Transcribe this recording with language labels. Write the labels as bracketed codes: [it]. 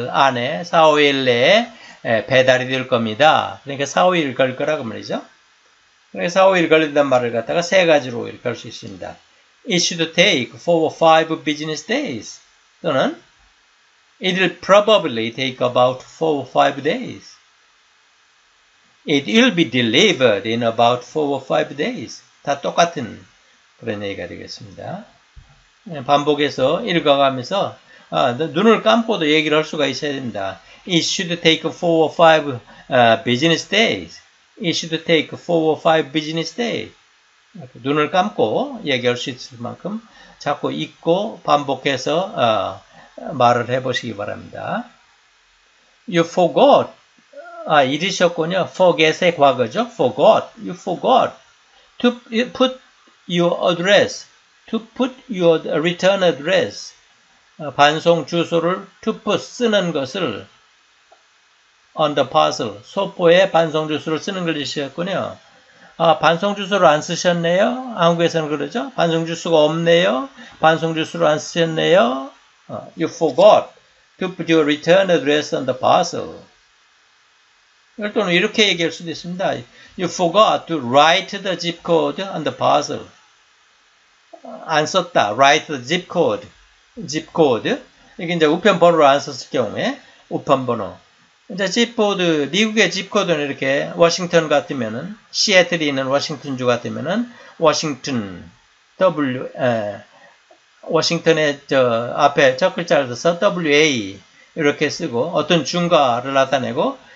[ko] 4, 5일 내에, 배달이 될 겁니다. 그러니까 4, 5일 걸 거라고 말이죠. 그러니까 4, 5일 걸린단 말을 갖다가 세 가지로 걸 수 있습니다. [en] It should take 4 or 5 business days. [ko] 또는 [en] It will probably take about 4 or 5 days. It will be delivered in about 4 or 5 days. [ko] 다 똑같은 그런 얘기가 되겠습니다. 반복해서 읽어가면서 눈을 감고도 얘기를 할 수가 있어야 됩니다. [en] It should take 4 or 5 business days. It should take 4 or 5 business days. [ko] 눈을 감고 얘기할 수 있을 만큼 자꾸 읽고 반복해서 말을 해보시기 바랍니다. [en] You forgot. [ko] 잊으셨군요. [en] Forget의 과거죠. Forgot. You forgot to put your address. To put your return address. [ko] 반송 주소를 [en] to put [ko] 쓰는 것을 [en] on the parcel, [ko] 소포에 반송 주소를 쓰는 걸 잊으셨군요. 아, 반송 주소를 안 쓰셨네요? 한국에서는 그러죠? 반송 주소가 없네요? 반송 주소를 안 쓰셨네요? [en] You forgot to put your return address on the parcel. [ko] 또는 이렇게 얘기할 수도 있습니다. [en] You forgot to write the zip code on the parcel. [ko] 안 썼다. [en] Write the zip code. Zip code. [ko] 이게 이제 우편번호를 안 썼을 경우에 우편번호. 이제 집코드 미국의 집코드는 이렇게 워싱턴 같으면은 시애틀이 있는 워싱턴 주 같으면은 워싱턴 W 워싱턴의 저 앞에 첫 글자를 써서 WA 이렇게 쓰고 어떤 중가를 나타내고